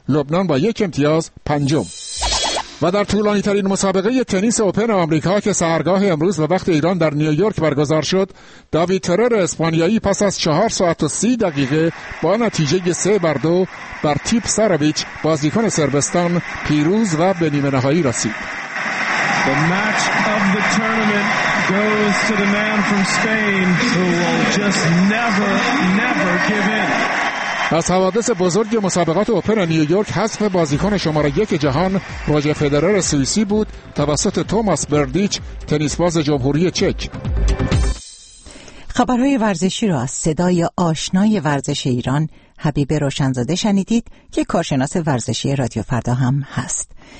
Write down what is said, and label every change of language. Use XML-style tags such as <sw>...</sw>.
<fa>لبنان با 1 امتیاز پنجم. و در طولانی ترین مسابقه تنیس اوپن آمریکا که سحرگاه امروز به وقت ایران در نیویورک برگزار شد، داوید ترر اسپانیایی پس از 4 ساعت و 30 دقیقه با نتیجه 3-2 بر تیپ سرویچ بازیکن سربستان پیروز و به نیمه نهایی رسید.</fa> <en>The match of the tournament goes to the man from Spain who will just never give in.</en> <fa>از حوادث بزرگ مسابقات اوپن نیویورک حذف بازیکن شماره 1 جهان روجر فدرر سوئیسی بود توسط توماس بردیچ تنیسباز جمهوری چک. خبرهای ورزشی را از صدای آشنای ورزش ایران حبیب روشنزاده شنیدید که کارشناس ورزشی رادیو فردا هم هست.</fa>